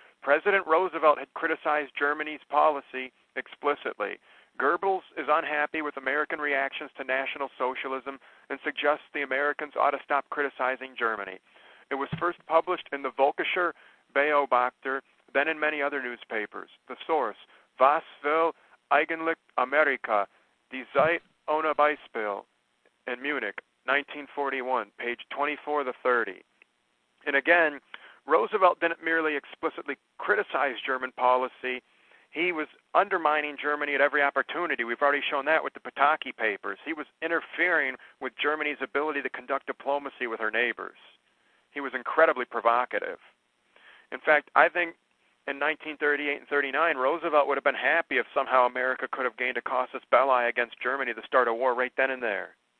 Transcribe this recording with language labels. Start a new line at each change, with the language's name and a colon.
English: President Roosevelt had criticized Germany's policy explicitly. Goebbels is unhappy with American reactions to National Socialism and suggests the Americans ought to stop criticizing Germany. It was first published in the Volkischer Beobachter, then in many other newspapers. The source,
German: Was will eigentlich Amerika?
English: Die Zeit ohne Beispiel in Munich, 1941, page 24 to 30. And again, Roosevelt didn't merely explicitly criticize German policy. He was undermining Germany at every opportunity. We've already shown that with the Pataki Papers. He was interfering with Germany's ability to conduct diplomacy with her neighbors. He was incredibly provocative. In fact, I think in 1938 and 39, Roosevelt would have been happy if somehow America could have gained a casus belli against Germany to start a war right then and there.